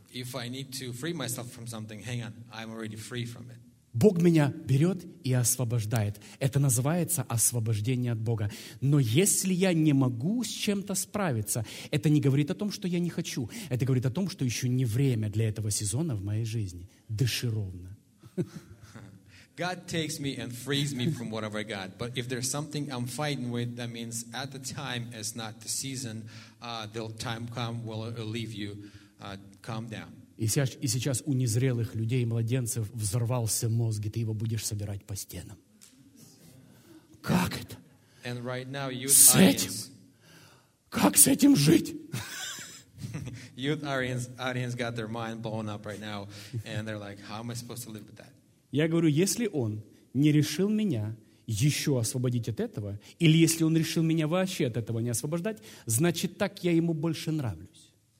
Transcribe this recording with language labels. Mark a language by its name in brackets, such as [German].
[English] if I need to free myself from something, hang on, I'm already free from it. [Russian] Бог меня берет и освобождает. Это называется освобождение от Бога. Но если я не могу с чем-то справиться, это не говорит о том, что я не хочу. Это говорит о том, что еще не время для этого сезона в моей жизни. Дыши ровно. [English] God takes me and frees me from whatever I got. But if there's something I'm fighting with, that means at the time is not the season. The time come will leave you. Calm down. [Russian] И сейчас у незрелых людей, младенцев, взорвался мозг, и ты его будешь собирать по стенам. Как это? [English] And right now, youth [Russian] с этим? [English] Audience, [Russian] как с этим жить? [English] Youth audience got their mind blown up right now, and they're like, how am I supposed to live with that? [Russian] Я говорю, если он не решил меня еще освободить от этого, или если он решил меня вообще от этого не освобождать, значит, так я ему больше нравлюсь.